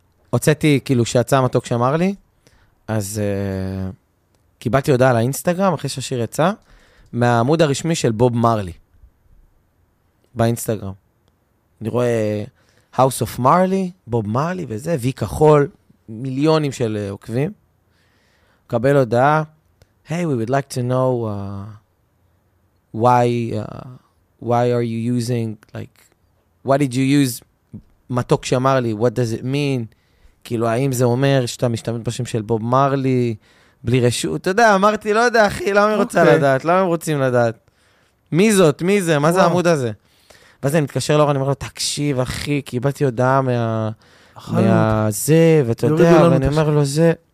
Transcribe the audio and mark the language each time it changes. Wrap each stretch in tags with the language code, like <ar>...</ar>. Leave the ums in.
<he>הוצאתי, כאילו, כשיצא המתוק שאמר לי, אז uh, קיבלתי הודעה לאינסטגרם, אחרי שהשיר יצא, מהעמוד הרשמי של בוב מרלי, באינסטגרם. אני רואה House of Marley, בוב מרלי וזה, וי כחול, מיליונים של uh, עוקבים. מקבל הודעה, היי,</he> <en>hey, we would like to know uh, why, uh, why are you using, like, why did you use, מתוק שאמר לי, what does it mean?</en> <he>כאילו, האם זה אומר שאתה משתמט בשם של בוב מרלי בלי רשות? אתה יודע, אמרתי, לא יודע, אחי, למה היא רוצה לדעת? למה הם רוצים לדעת? מי זאת? מי זה? מה זה העמוד הזה? ואז אני מתקשר לאור, אני אומר לו, תקשיב, אחי, קיבלתי הודעה מהזה, ואתה יודע, ואני אומר לו, זה...</he>